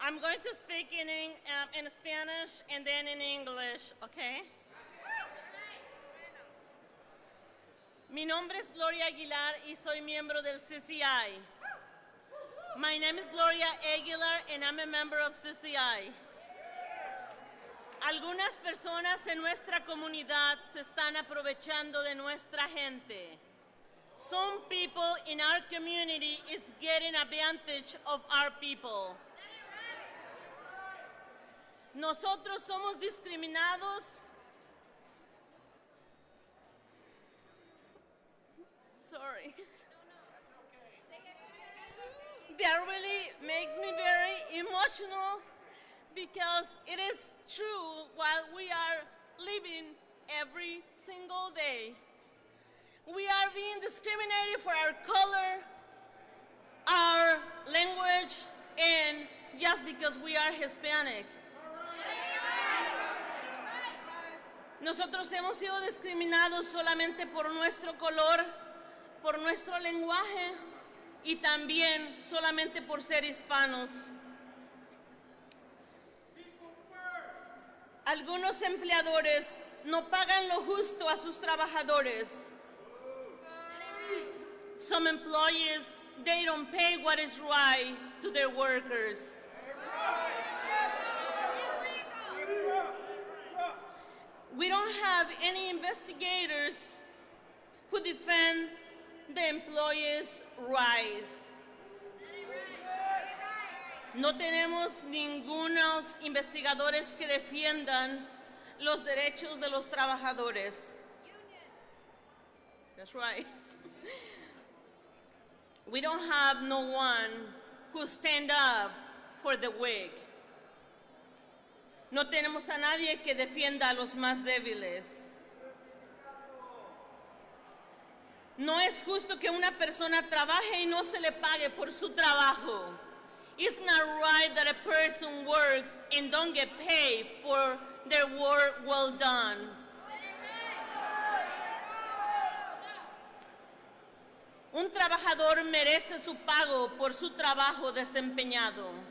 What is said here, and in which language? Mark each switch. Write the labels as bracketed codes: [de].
[en] I'm going to speak in Spanish and then in English, okay? [es] Mi nombre es Gloria Aguilar y soy miembro del CCI. [en] My name is Gloria Aguilar and I'm a member of CCI. [es] Algunas personas en nuestra comunidad se están aprovechando de nuestra gente. [en] Some people in our community is getting advantage of our people. [es] Nosotros somos discriminados. [en] Sorry. That really makes me very emotional because it is true while we are living every single day. We are being discriminated for our color, our language, and just because we are Hispanic. [es] Nosotros hemos sido discriminados solamente por nuestro color, por nuestro lenguaje y también solamente por ser hispanos. Algunos empleadores no pagan lo justo a sus trabajadores. [en] Some employees, they don't pay what is right to their workers. We don't have any investigators who defend the employees' rise. [es] No tenemos ningunos investigadores que defiendan los derechos de los trabajadores. [en] That's right. We don't have no one who stand up for the weak. [es] No tenemos a nadie que defienda a los más débiles. No es justo que una persona trabaje y no se le pague por su trabajo. [en] It's not right that a person works and don't get paid for their work well done. [es] Un trabajador merece su pago por su trabajo desempeñado.